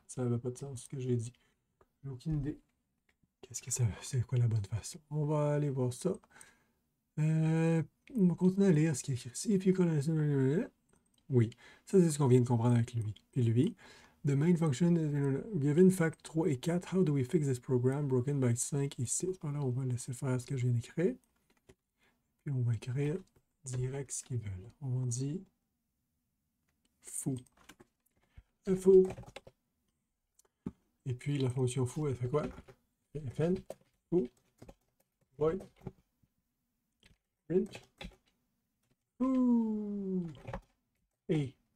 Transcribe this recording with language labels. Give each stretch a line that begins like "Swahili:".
French: Ça n'avait pas de sens ce que j'ai dit. J'ai aucune idée. Qu'est-ce que ça veut? C'est quoi la bonne façon? On va aller voir ça. On va continuer à lire ce qu'il écrit ici.
English: If you call it...
French: Oui. Ça, c'est ce qu'on vient de comprendre avec lui. Et lui.
English: The main function is given fact 3 et 4. How do we fix this program broken by 5 et 6?
French: Alors là, on va laisser faire ce que je viens d'écrire. Puis on va écrire direct ce qu'ils veulent. On dit. Fou. Un fou. Et puis la fonction fou, elle fait quoi? Fn, fou, void, print, fou, et.